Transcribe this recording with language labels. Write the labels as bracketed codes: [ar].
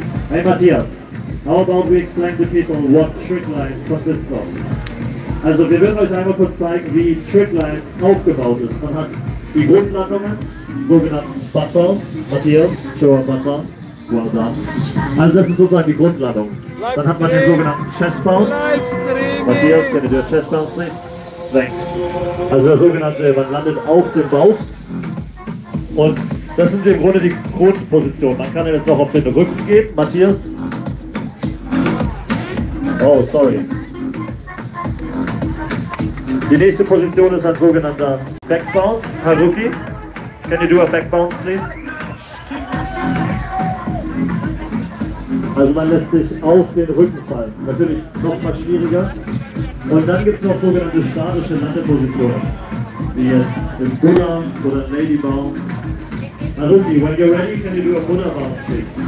[en] Hey Matthias, how about we explain to people what Trickline consists of? [de] Also wir würden euch einmal kurz zeigen, wie Trickline aufgebaut ist. Man hat die Bodenlandungen, sogenannten Butt Bounce. [en] Matthias, show our Butt Bounce. Well done. [de] Also das ist sozusagen die Grundlandung. Dann hat man den sogenannten Chest Bounce. [en] Matthias, can you do a Chest Bounce please? Thanks. [de] Also der sogenannte, man landet auf dem Bauch und das sind im Grunde die Grundpositionen. Man kann jetzt noch auf den Rücken gehen. Matthias? [en] Oh, sorry. [de] Die nächste Position ist ein sogenannter Backbounce. [en] Haruki, can you do a Backbounce, please? [de] Also man lässt sich auf den Rücken fallen. Natürlich noch mal schwieriger. Und dann gibt es noch sogenannte statische Landepositionen. Wie jetzt im Buddha oder Lady Bounce. [en] Haruki, when you're ready, can you do a Buddha Bounce, please?